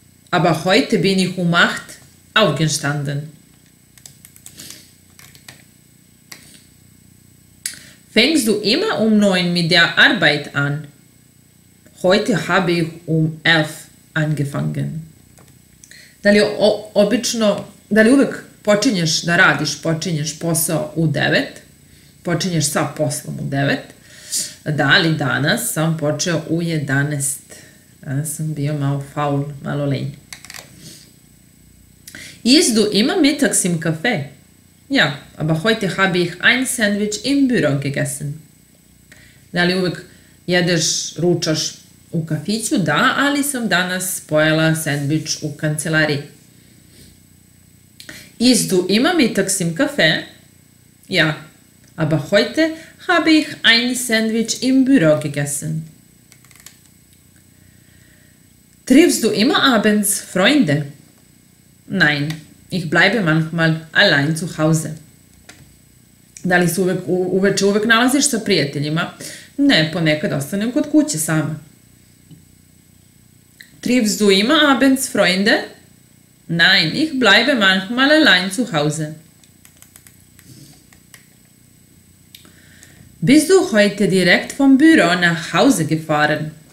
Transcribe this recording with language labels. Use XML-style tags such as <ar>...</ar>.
<de>Aber heute bin ich um 8 aufgestanden. Fängst du immer um 9 mit der Arbeit an? Heute habe ich um 11 angefangen.</de> <sr>Da li uvek počinješ da radiš, počinješ posao u 9? Počinješ sa poslom u 9? Da li danas sam počeo u 11? Danas sam bio malo</sr> <de>faul,</de> <sr>malo lenj.</sr> <de>Isst du immer mittags im Café? Ja, aber heute habe ich ein Sandwich im Büro gegessen.</de> <sr>Da li uvek jedeš, ručaš u kafiću? Da, ali sam danas pojela sandvič u kancelariji.</sr> <de>Isst du immer mittags im Café? Ja, aber heute habe ich ein Sandwich im Büro gegessen. Triffst du immer abends Freunde? Nein, ich bleibe manchmal allein zu Hause.</de> <sr>Da li se uveče uvek nalaziš sa prijateljima? Ne, ponekad ostanem kod kuće sama.</sr> <de>Triffst du immer abends Freunde? Nein, ich bleibe manchmal allein zu Hause. Bist du heute direkt vom Büro nach Hause gefahren?</de>